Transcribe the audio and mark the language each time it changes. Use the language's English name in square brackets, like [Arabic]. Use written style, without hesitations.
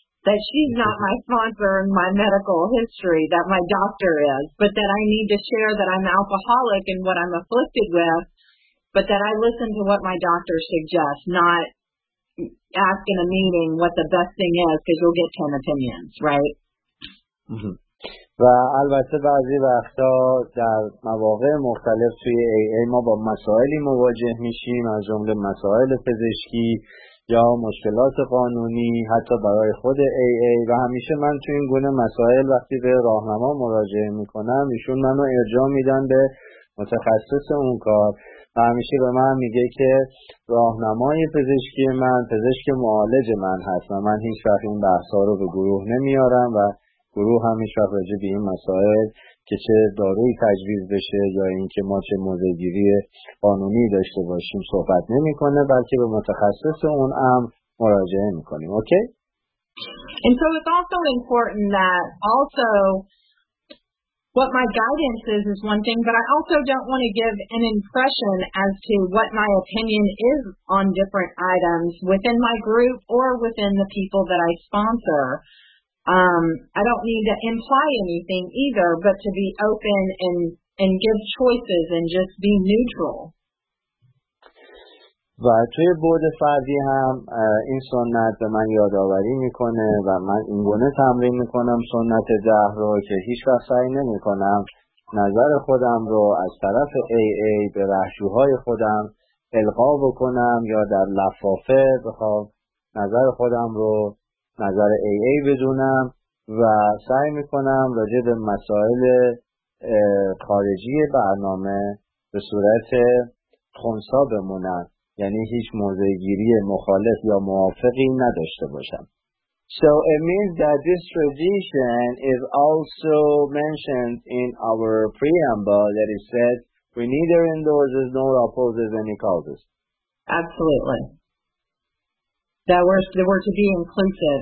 [English] that she's not my sponsor in my medical history, that my doctor is, but that I need to share that I'm alcoholic and what I'm afflicted with, but that I listen to what my doctor suggests, not ask in a meeting what the best thing is, because you'll get 10 opinions, right? [Persian] و البته بعضی وقتا در مواقع مختلف توی AA ما با مسائلی مواجه میشیم، از جمله مسائل پزشکی یا مشکلات قانونی حتی برای خود AA، و همیشه من توی این گونه مسائل وقتی به راهنما مراجعه میکنم ایشون منو ارجاع میدن به متخصص اون کار و همیشه به من میگه که راهنمای پزشکی من پزشک معالج من هست و من هیچ وقت این بحثا رو به گروه نمیارم و گروه همیشه راجع به این مسائل که چه داروی تجویز بشه یا اینکه ما چه موضع‌گیری قانونی داشته باشیم صحبت نمی‌کنه، بلکه به متخصص اون امر مراجعه می‌کنیم. [English] Okay? And so it's also important that also what my guidance is one thing, but I also don't want to give an impression as to what my opinion is on different items within my group or within the people that I sponsor. I don't need to imply anything either, but to be open and give choices and just be neutral. [Persian] و توی بود فردی هم این سنت به من یادآوری میکنه و من اینگونه تمرین میکنم سنت ده رو که هیچ وقت سعی نمیکنم نظر خودم رو از طرف AA به رهشوهای خودم القا بکنم یا در لفافه بخوام نظر خودم رو نظر AA بدونم و سعی میکنم راجع به مسائل خارجی برنامه به صورت خونسا بمونم، یعنی هیچ موضع‌گیری مخالف یا موافقی نداشته باشم. [English] So it means that this tradition is also mentioned in our preamble that it said we neither endorses nor opposes any causes. Absolutely. That we're to be inclusive.